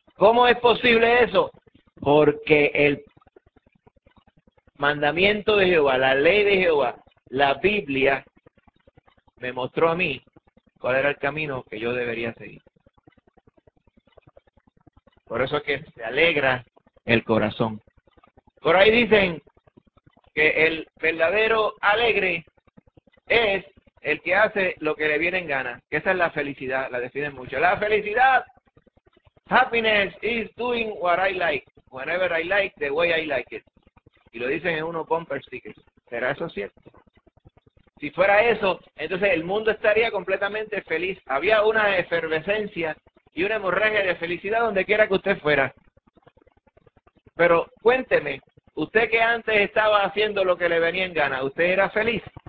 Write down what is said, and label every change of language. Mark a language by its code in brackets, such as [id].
[es] ¿Cómo es posible eso? Porque el mandamiento de Jehová, la ley de Jehová, la Biblia, me mostró a mí cuál era el camino que yo debería seguir. Por eso es que se alegra el corazón. Por ahí dicen que el verdadero alegre es el que hace lo que le viene en gana. Esa es la felicidad, la definen mucho. [en] La felicidad, happiness is doing what I like, whenever I like, the way I like it. [es] Y lo dicen en unos bumper stickers. ¿Será eso cierto? Si fuera eso, entonces el mundo estaría completamente feliz. Había una efervescencia y una hemorragia de felicidad donde quiera que usted fuera. Pero cuénteme, usted que antes estaba haciendo lo que le venía en gana, ¿usted era feliz?